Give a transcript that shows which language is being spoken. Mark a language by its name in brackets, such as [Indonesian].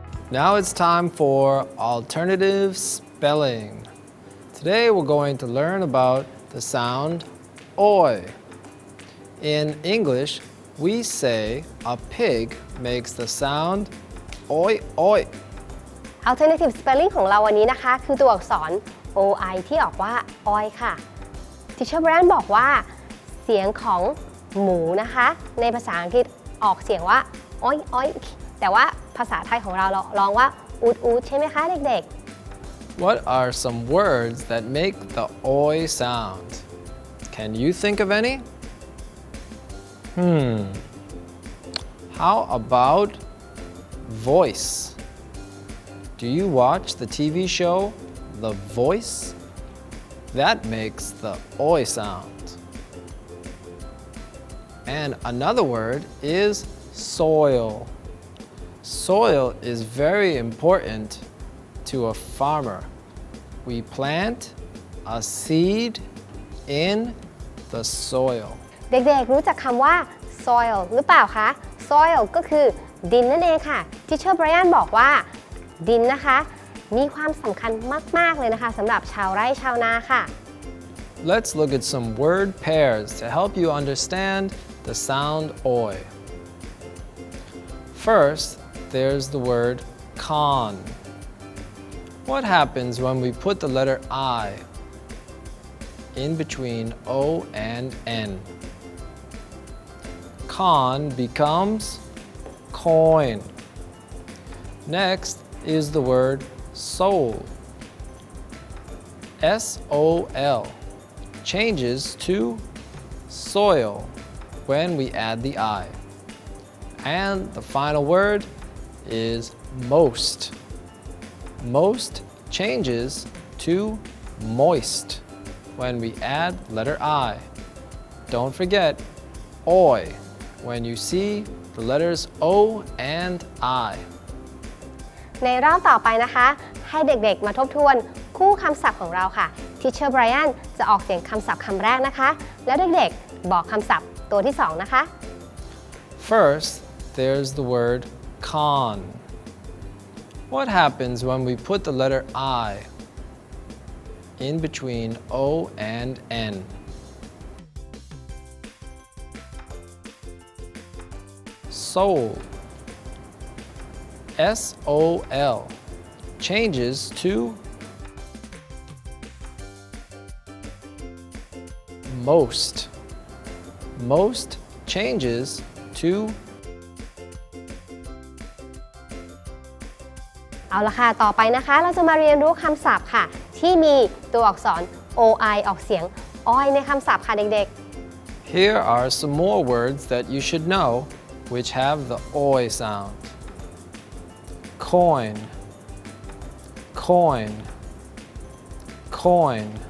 [English] Now it's time for alternative spelling. Today we're going to learn about the sound oi. In English, we say a pig makes the sound oi oi. Alternative spelling [Thai] ของเราวันนี้นะคะคือตัวอักษร oi ที่ออกว่า oi ค่ะ Teacher Brian บอกว่าเสียงของหมูนะคะในภาษาอังกฤษออกเสียงว่าอ้อยอ้อยแต่ว่าภาษาไทยของเราร้องว่าอูดอูดใช่ไหมคะเด็ก [English] ๆ What are some words that make the oi sound? Can you think of any? How about voice? Do you watch the TV show The Voice? That makes the oi sound. And another word is soil. Soil is very important to a farmer. We plant a seed in the soil. [Thai] เด็กๆรู้จักคำว่า soil หรือเปล่าคะ Soil ก็คือดินนั่นเองค่ะที่เชอร์ไบรอันบอกว่าดินนะคะมีความสำคัญมากๆเลยนะคะสำหรับชาวไร่ชาวนาค่ะ [English] Let's look at some word pairs to help you understandthe sound oi. First, there's the word con. What happens when we put the letter I in between O and N? Con becomes coin. Next is the word sol. S-O-L changes to soil. When we add the I. And the final word is most. Most changes to moist when we add letter I. Don't forget oi when you see the letters O and I. [Thai] ในรอบต่อไปนะคะให้เด็กๆมาทบทวนคู่คำศัพท์ของเราค่ะ Teacher Brian จะออกเสียงคำศัพท์คำแรกนะคะแล้วเด็กๆบอกคำศัพท์ตัวที่สองนะคะ [English] First, there's the word con. What happens when we put the letter I in between O and N? Sol. S-O-L. Changes to most. Most changes to [Thai] เอาละค่ะต่อไปนะคะเราจะมาเรียนรู้คำศัพท์ค่ะที่มีตัวอักษร oi ออกเสียง oi ในคำศัพท์ค่ะเด็ก [English] ๆ Here are some more words that you should know which have the oi sound coin coin coin